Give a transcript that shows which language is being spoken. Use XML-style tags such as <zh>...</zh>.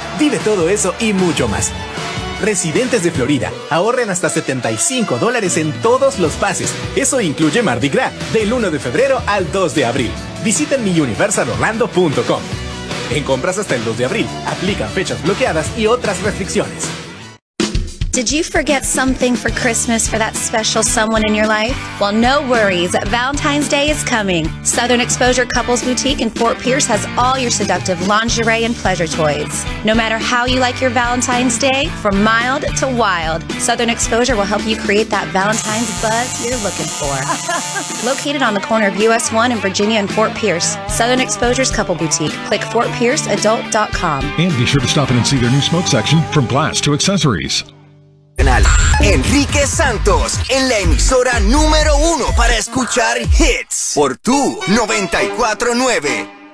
<es>¡Vive todo eso y mucho más! Residentes de Florida, ahorren hasta $75 en todos los pases. Eso incluye Mardi Gras, del 1 de febrero al 2 de abril. Visiten miuniversalorlando.com. En compras hasta el 2 de abril, aplican fechas bloqueadas y otras restricciones.</es> <en>Did you forget something for Christmas for that special someone in your life? Well, no worries. Valentine's Day is coming. Southern Exposure Couples Boutique in Fort Pierce has all your seductive lingerie and pleasure toys. No matter how you like your Valentine's Day, from mild to wild, Southern Exposure will help you create that Valentine's buzz you're looking for. Located on the corner of US 1 and Virginia in Fort Pierce, Southern Exposure's Couple Boutique. Click FortPierceAdult.com. And be sure to stop in and see their new smoke section, from glass to accessories.</en> <es>Enrique Santos en la emisora número uno para escuchar hits por tu 94.9.</es>